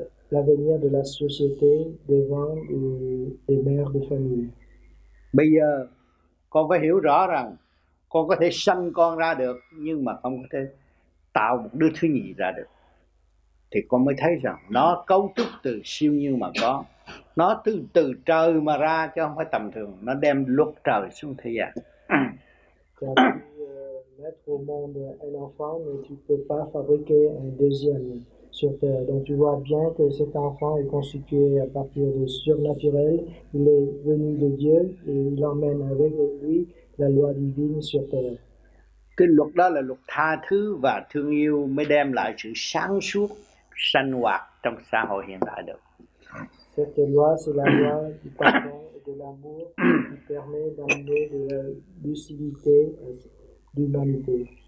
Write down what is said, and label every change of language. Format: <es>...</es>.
<fr>L'avenir de la société devant les mères de famille.</fr> <vi>Bây giờ con phải hiểu rõ rằng con có thể sanh con ra được nhưng mà không có thể tạo một đứa thứ nhì ra được. Thì con mới thấy rằng nó cấu trúc từ siêu nhiên mà có. Nó từ trời mà ra chứ không phải tầm thường. Nó đem luật trời xuống thế gian.</vi> <fr>Tu as mettre au monde un enfant, mais tu ne peux pas fabriquer un deuxième sur terre. Donc tu vois bien que cet enfant est constitué à partir de surnaturel. Il est venu de Dieu et il emmène avec lui la loi divine sur terre.</fr> <vi>Cái luật đó là luật tha thứ và thương yêu mới đem lại sự sáng suốt, sanh hoạt trong xã hội hiện tại được.</vi> <fr>Cette loi, c'est la loi du pardon et de l'amour qui permet d'amener de la lucidité à l'humanité.</fr>